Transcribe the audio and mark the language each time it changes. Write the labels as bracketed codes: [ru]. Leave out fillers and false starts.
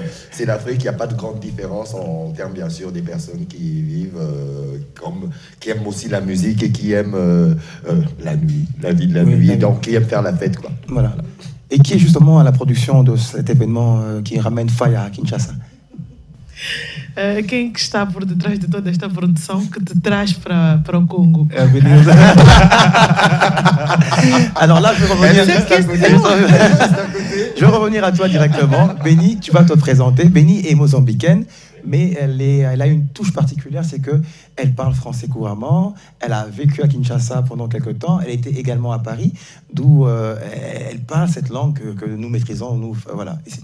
[fr] C'est l'Afrique, il n'y a pas de grande différence en termes, bien sûr, des personnes qui y vivent, qui aiment aussi la musique et qui aiment la nuit, la vie de la nuit, et donc qui aiment faire la fête, quoi. Voilà. Et qui est justement à la production de cet événement qui ramène Faya à Kinshasa? [pt] Quem que está por detrás de toda esta produção que te traz para o Congo? É a Beleza. [fr] Alors là, je vais revenir à toi directement. Benny, tu vas te présenter. Benny est mozambicaine, mais elle a une touche particulière, c'est qu'elle parle français couramment, elle a vécu à Kinshasa pendant quelques temps, elle était également à Paris, d'où elle parle cette langue que nous maîtrisons. Nous, voilà.